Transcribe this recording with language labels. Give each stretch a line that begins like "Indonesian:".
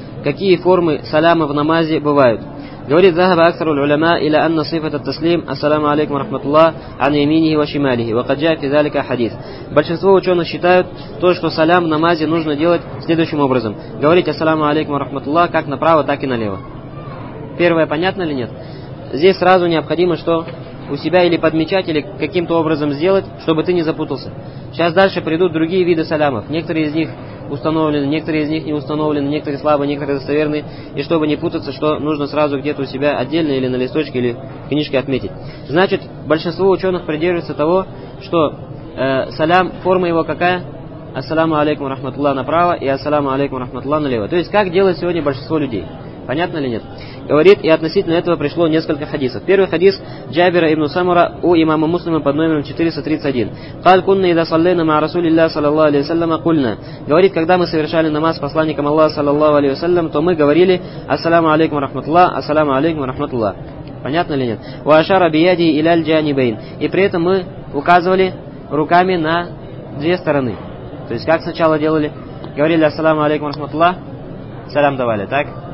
Russian: Какие формы саляма в намазе бывают? Говорит
Arabic: ذهب أكثر العلماء إلى أن صفة التسليم السلام عليكم ورحمة الله عن يمينه وشماله وقد جاء في ذلك حديث.
Russian: Большинство ученых считают то, что салям в намазе нужно делать следующим образом. Говорить ассаляму алейкум
Arabic: ورحمة الله
Russian: как направо, так и налево. Первое, понятно или нет? Здесь сразу необходимо что? У себя или подмечать, или каким-то образом сделать, чтобы ты не запутался. Сейчас дальше придут другие виды салямов. Некоторые из них установлены, некоторые из них не установлены, некоторые слабые, некоторые достоверные. И чтобы не путаться, что нужно сразу где-то у себя отдельно или на листочке, или в книжке отметить. Значит, большинство ученых придерживается того, что салям, форма его какая? Ассаляму алейкум рахматулла направо и ассаляму алейкум рахматулла налево. То есть, как делает сегодня большинство людей. Понятно или нет? Говорит, и относительно этого пришло несколько хадисов. Первый хадис Джабира ибн Самура у имама Муслима под номером 431.
Arabic: قال كنا اذا صلينا مع رسول الله صلى الله عليه وسلم قلنا.
Russian: Говорит, когда мы совершали намаз с посланником Аллаха саллаллаху алейхи ва саллям, то мы говорили: ассаляму алейкум рахматуллах, ассаляму алейкум рахматуллах. Понятно или нет?
Arabic: Ва ашара бияди иля аль-джанибайн.
Russian: И при этом мы указывали руками на две стороны. То есть как сначала делали? Говорили: ассаляму алейкум рахматуллах. Салям давали, так?